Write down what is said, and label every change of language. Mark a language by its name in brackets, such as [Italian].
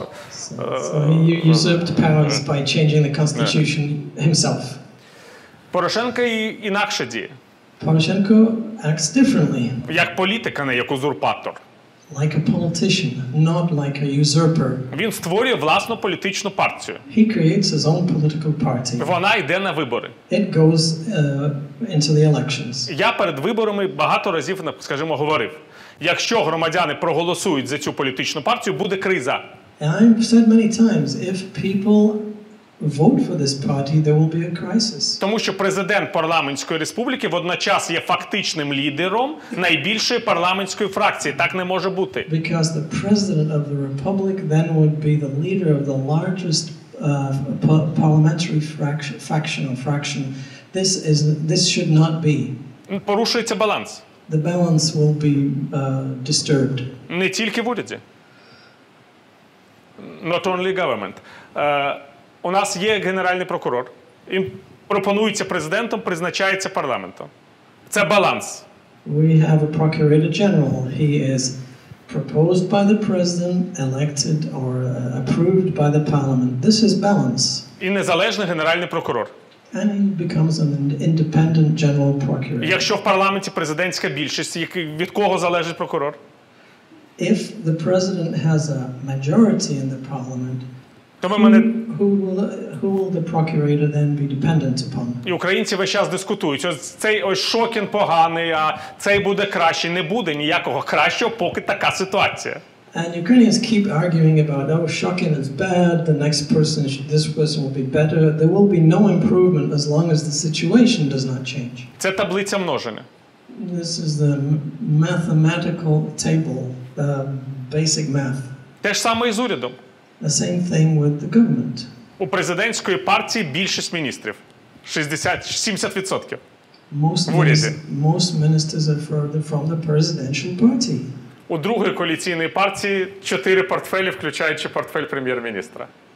[English] so he usurped powers by changing the constitution himself. [Ukrainian] Порошенко інакше діє. [English] Порошенко acts differently. [Ukrainian] Як політика, не як узурпатор. [English] Like a politician, not like a usurper. [Ukrainian] Він створює власну політичну партію. [English] He creates his own political party. [Ukrainian] Вона йде на вибори. [English] It goes into the elections. [Ukrainian] Я перед виборами багато разів, скажімо, говорив, якщо громадяни проголосують за цю політичну партію, буде криза. [English] And I've said many times, if people vote for this party, there will be a crisis. [Ukrainian] Тому що президент парламентської республіки водночас є фактичним лідером найбільшої парламентської фракції. Так не може бути. [English] Because the president of the republic then would be the leader of the largest parliamentary faction. This should not be. [Ukrainian] Порушується баланс. [English] The balance will be disturbed. [Ukrainian] Не тільки в уряді. [English] Not only government. [Ukrainian] У нас є генеральний прокурор. Він пропонується президентом, призначається парламентом. Це баланс. [English] We have a procurator general. He is proposed by the president, elected or approved by the parliament. This is balance. [Ukrainian] І незалежний генеральний прокурор. [English] And he becomes an independent general procurator. [Ukrainian] Якщо в парламенті президентська більшість, від кого залежить прокурор? [English] If the president has a majority in the parliament, [Ukrainian] Тому мене [English] who will the procurator then be dependent upon? [Ukrainian] І українці весь час дискутують. Ось цей ось Шокін поганий, а цей буде кращий. Не буде ніякого кращого, поки така ситуація. [English] And Ukrainians keep arguing about, oh, Shokin is bad, the next person, should, this person will be better. There will be no improvement as long as the situation does not change. [Ukrainian] Це таблиця множення. [English] This is the mathematical table, the basic math. [Ukrainian] Те ж саме і з урядом. [English] The same thing with the government. [Ukrainian] У президентської партії більшість міністрів. 60-70%. [English] Most ministers are from the presidential party. [Ukrainian] У другої коаліційної партії 4 портфелі, включаючи портфель прем'єр-міністра.